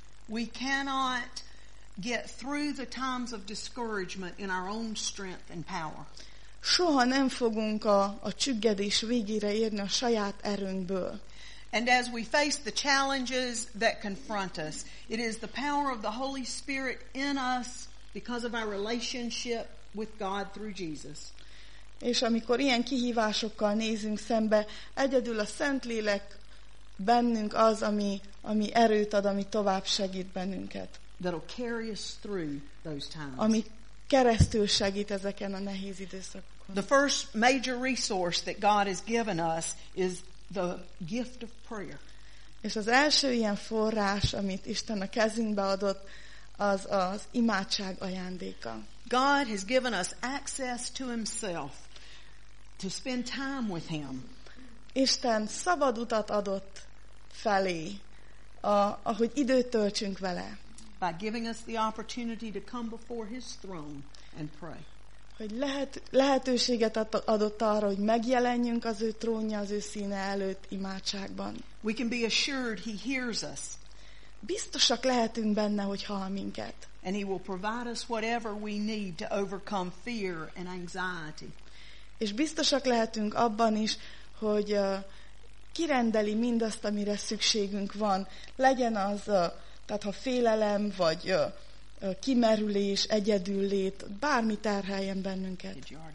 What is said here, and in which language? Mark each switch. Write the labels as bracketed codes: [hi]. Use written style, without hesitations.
[en] We cannot get through the times of discouragement in our own strength and power. [hu] Soha nem fogunk a csüggedés végére érni a saját erőnkből. [en] And as we face the challenges that confront us, it is the power of the Holy Spirit in us because of our relationship with God through Jesus. [hu] És amikor ilyen kihívásokkal nézünk szembe, egyedül a Szentlélek bennünk az, ami erőt ad, ami tovább segít bennünket. [en] That'll carry us through those times. [hu] Ami keresztül segít ezeken a nehéz időszakokon. [en] The first major resource that God has given us is the gift of prayer. [hu] És az első ilyen forrás, amit Isten a kezünkbe adott, az az imádság ajándéka. [en] God has given us access to himself to spend time with him. [hu] Isten szabad utat adott felé, ahogy időt töltsünk vele. [en] By giving us the opportunity to come before his throne and pray. [hu] Hogy lehetőséget adott arra, hogy megjelenjünk az ő trónja, az ő színe előtt imádságban. [en] We can be assured he hears us. [hu] Biztosak lehetünk benne, hogy hall minket. [en] And he will provide us whatever we need to overcome fear and anxiety. [hu] És biztosak lehetünk abban is, hogy kirendeli mindazt, amire szükségünk van. Legyen az, tehát ha félelem, vagy kimerülés, egyedüllét, bármi terheljen bennünket.